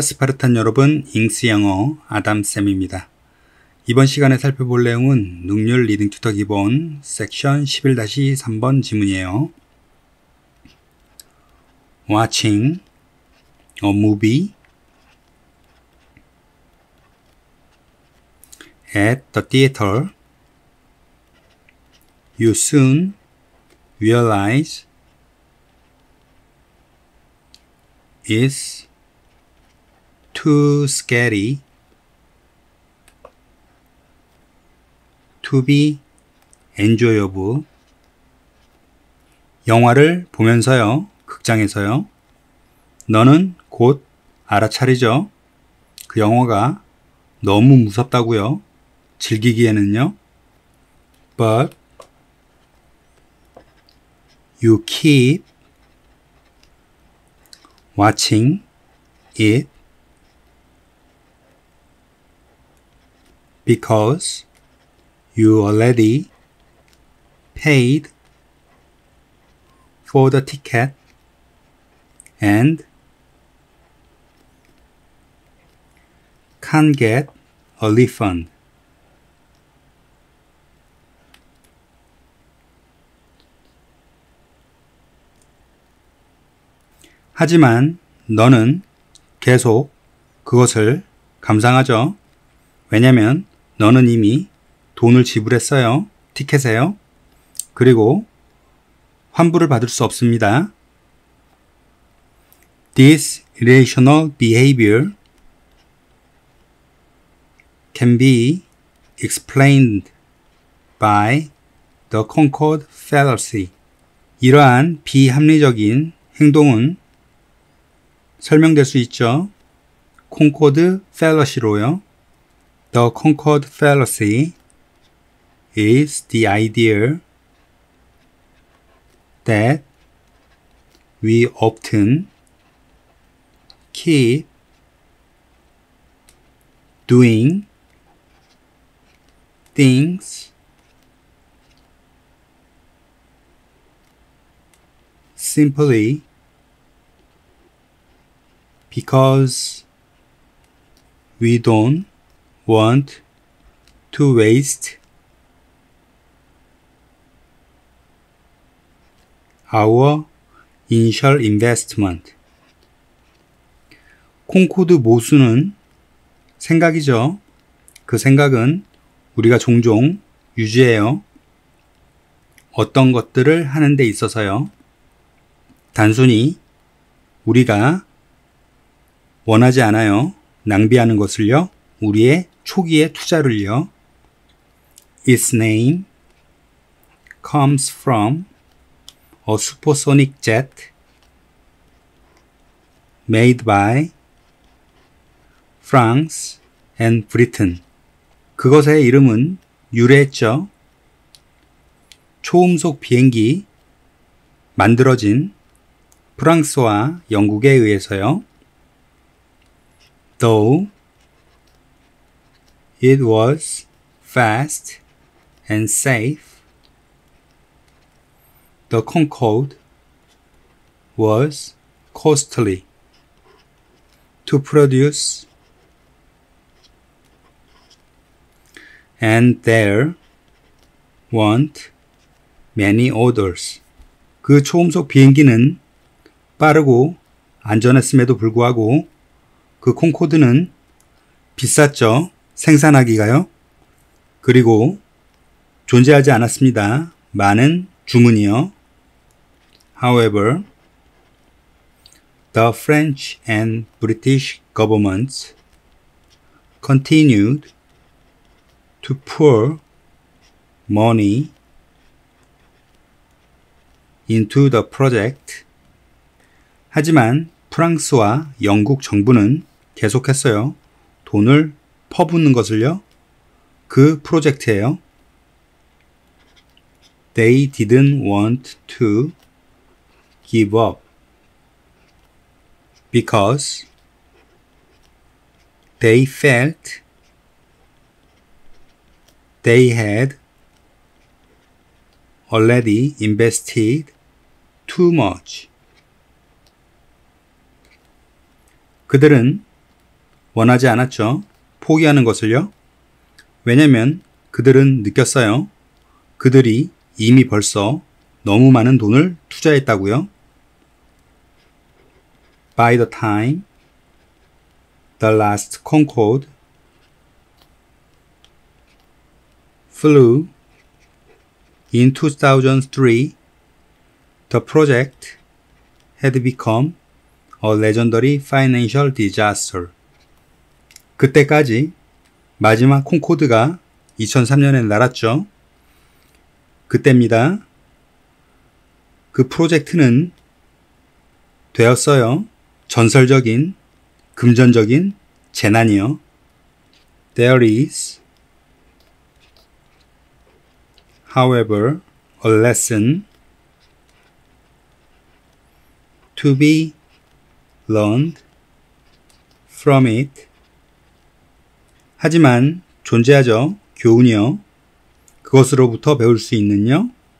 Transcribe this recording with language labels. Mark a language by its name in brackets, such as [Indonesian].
[Korean] 스파르탄 여러분, 잉스 영어 아담쌤입니다. 이번 시간에 살펴볼 내용은 능률 리딩 튜터 기본 섹션 11-3번 지문이에요. [English] Watching a movie at the theater, you soon realize it's too scary to be enjoyable. [Korean] 영화를 보면서요, 극장에서요, 너는 곧 알아차리죠. 그 영화가 너무 무섭다고요. 즐기기에는요. [English] But you keep watching it because you already paid for the ticket and can't get a refund. [Korean] 하지만 너는 계속 그것을 감상하죠. 왜냐면 너는 이미 돈을 지불했어요. 티켓에요. 그리고 환불을 받을 수 없습니다. [English] This irrational behavior can be explained by the Concord Fallacy. [Korean] 이러한 비합리적인 행동은 설명될 수 있죠. Concord Fallacy로요. [English] The Concord Fallacy is the idea that we often keep doing things simply because we don't want to waste our initial investment. [Korean] 콩코드 모순은 생각이죠. 그 생각은 우리가 종종 유지해요. 어떤 것들을 하는 데 있어서요. 단순히 우리가 원하지 않아요. 낭비하는 것을요. 우리의 초기의 투자를요. [English] Its name comes from a supersonic jet made by France and Britain. [Korean] 그것의 이름은 유래했죠. 초음속 비행기 만들어진 프랑스와 영국에 의해서요. [English] Though it was fast and safe, the Concorde was costly to produce, and there weren't many orders. [Korean] 그 초음속 비행기는 빠르고 안전했음에도 불구하고 그 콩코드는 비쌌죠. 생산하기가요. 그리고 존재하지 않았습니다. 많은 주문이요. [English] However, the French and British governments continued to pour money into the project. [Korean] 하지만 프랑스와 영국 정부는 계속했어요. 돈을 퍼붓는 것을요. 그 프로젝트예요. [English] They didn't want to give up because they felt they had already invested too much. [Korean] 그들은 원하지 않았죠. 포기하는 것을요. 왜냐면 그들은 느꼈어요. 그들이 이미 벌써 너무 많은 돈을 투자했다고요. [English] By the time the last Concorde flew in 2003, the project had become a legendary financial disaster. [Korean] 그때까지 마지막 콩코드가 2003년에 날았죠. 그때입니다. 그 프로젝트는 되었어요. 전설적인 금전적인 재난이요. [English] There is, however, a lesson to be learned from it. [Korean] 하지만 존재하죠. 교훈이요. 그것으로부터 배울 수 있는요.